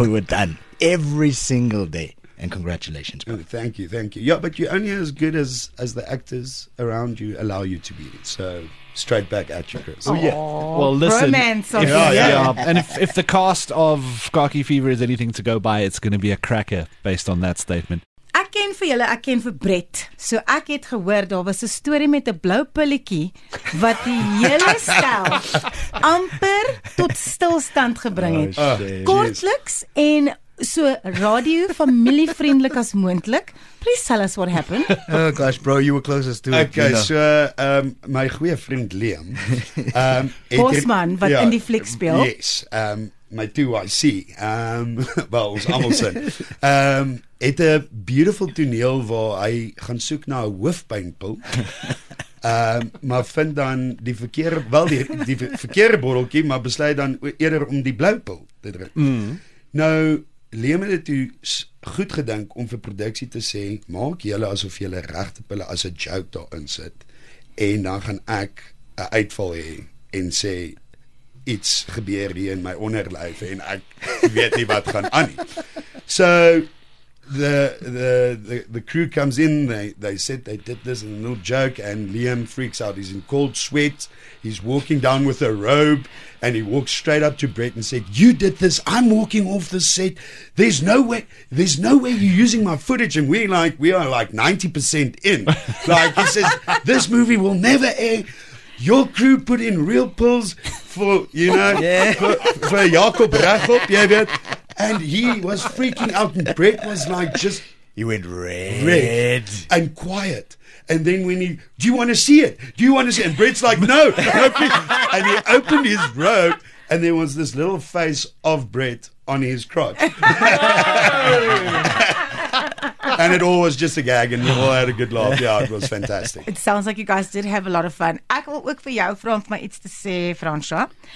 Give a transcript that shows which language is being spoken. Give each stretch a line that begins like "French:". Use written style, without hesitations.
English: We were done every single day. And congratulations, bro. Thank you. Yeah, but you're only as good as the actors around you allow you to be. So straight back at you, Chris. Oh yeah. Well, listen. Romance. And if the cast of Khaki Fever is anything to go by, it's going to be a cracker based on that statement.
Afrikaans: Ek ken vir julle, ek ken vir Brett.
English: So
Afrikaans: ek het gehoor, daar was 'n storie met 'n blou pilletjie wat die hele stel amper tot stilstand gebring het. Kortliks en so radio familie vriendelik as moontlik.
English: Please tell us what happened. Oh gosh, bro, you were closest to it. Okay,
Afrikaans: Gina. So my goeie vriend Liam. Bosman, wat in die fliek speel.
English: Yes,
Afrikaans: my 2YC. Ons almal sin. Het 'n beautiful toneel waar hy gaan soek na 'n hoofpynpil. maar vind dan die verkeerde, wel die verkeerde botteltjie, maar besluit dan eerder om die blou pil te drink. Nou, Liam het toe goed gedink om vir produksie te sê, maak julle asof julle regte pille as 'n joke daar insit en dan gaan ek 'n uitval hê en sê iets gebeur hier in my onderlyf en ek weet nie wat gaan aan nie.
English: So the crew comes in, they said they did this in a little joke, and Liam freaks out. He's in cold sweat, he's walking down with a robe, and he walks straight up to Brett and said, you did this, I'm walking off the set, there's no way you're using my footage. And we are like 90% in, like, he says, this movie will never air. Your crew put in real pills for, you know, for Jacob Rechop,
Afrikaans: jy weet.
English: And he was freaking out. And Brett was like, just... He went red. And quiet. And then when he... Do you want to see it? Do you want to see it? And Brett's like, no. No, and he opened his robe. And there was this little face of Brett on his crotch. And it all was just a gag, and we all had a good laugh. Yeah, it was fantastic. It sounds like you guys did have a lot of fun.
Afrikaans: Ek wil ook vir jou vra om my iets te sê, Francois.